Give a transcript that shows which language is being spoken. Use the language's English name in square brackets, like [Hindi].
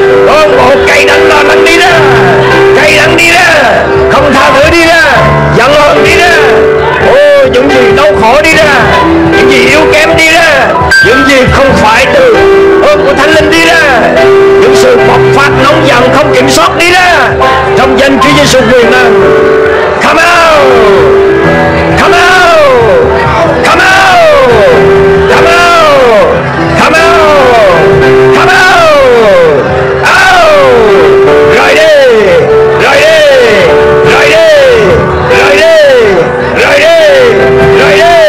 [Vietnamese] Con bộ cây đắng lo đắng đi ra, cây đắng đi ra, không tha thứ đi ra, giận hờn đi ra. Ôi, những gì đau khổ đi ra, những gì yếu kém đi ra, những gì không phải từ ơn của thánh linh đi ra, những sự bộc phát nóng giận không kiểm soát đi ra, trong danh Chúa Giêsu quyền năng. [English] Come out, come out, come out, come out, come out, come out, out. [Vietnamese] Rời đi, rời đi, rời đi, rời đi, rời đi, rời đi.